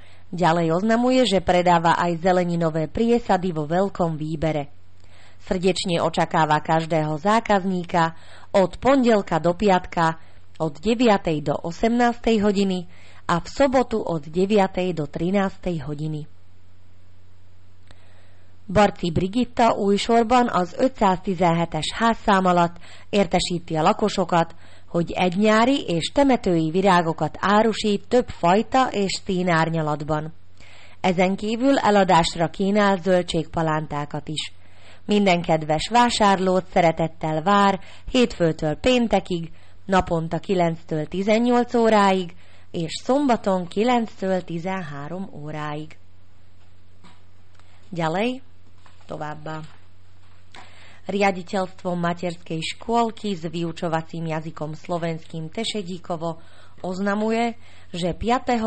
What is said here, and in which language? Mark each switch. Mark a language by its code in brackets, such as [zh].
[sk] Ďalej oznamuje, že predáva aj zeleninové priesady vo veľkom výbere. Srdečne očakáva každého zákazníka od pondelka do piatka od 9. do 18. hodiny a v sobotu od 9. do 13. hodiny. [hu] Barci Brigitta újsorban az 517-es házszám alatt értesíti a lakosokat, hogy egynyári és temetői virágokat árusít több fajta és színárnyalatban. Ezen kívül eladásra kínál zöldségpalántákat is. Minden kedves vásárlót szeretettel vár hétfőtől péntekig, naponta 9-től 18 óráig és szombaton 9-től 13 óráig. [sk] Ďalej. [hu] Továbbá. [sk] Riaditeľstvo materskej škôlky s vyučovacím jazykom slovenským Tešedíkovo oznamuje, že 5.